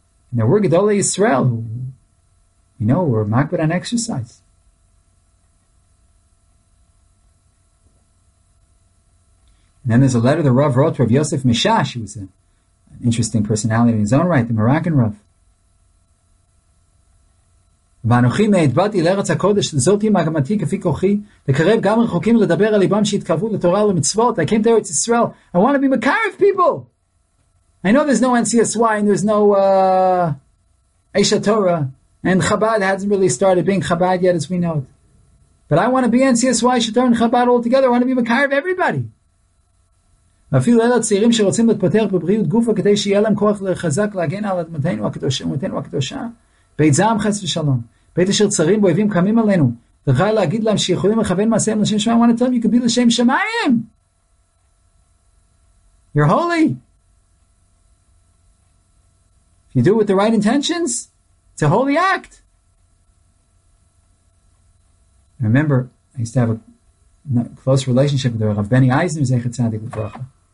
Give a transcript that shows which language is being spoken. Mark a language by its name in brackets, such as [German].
[English] And there were Gedolei Yisrael who, you know, were makbid on exercise. And then there's a letter the Rav wrote to Rav Yosef Mishash, who was an interesting personality in his own right, the Moroccan Rav. [Hebrew] ואנוכי מהדבטתי לארץ הקודש, זאת היא מגמתי כפי כוחי, לקרב גם רחוקים לדבר על ליבם שהתקרבו לתורה ולמצוות. [English] I came to Eretz Israel. I want to be makarif people. I know there's no NCSY and there's no Eisha Torah. And Chabad hasn't really started being Chabad yet as we know it. But I want to be NCSY, Eisha Torah and Chabad all together. I want to be makarif everybody. [Hebrew] ואפילו אלה הצעירים שרוצים להתפתח בבריאות גופה כדי שיהיה להם כוח לחזק להגן על אדמתנו הקדושה, אדמתנו הקדושה. בית זעם חס ושלום. בית אשר צרים באויבים קמים עלינו. וכי להגיד להם שיכולים לכוון מעשיהם לשם שמיים. [English] I want to tell them you can be [Hebrew] לשם שמיים. [English] You're holy. If you do it with the right intentions, it's a holy act. I remember, I used to have a close relationship with the Rav Benny Eisner, Zechet Tzadik Lebracha.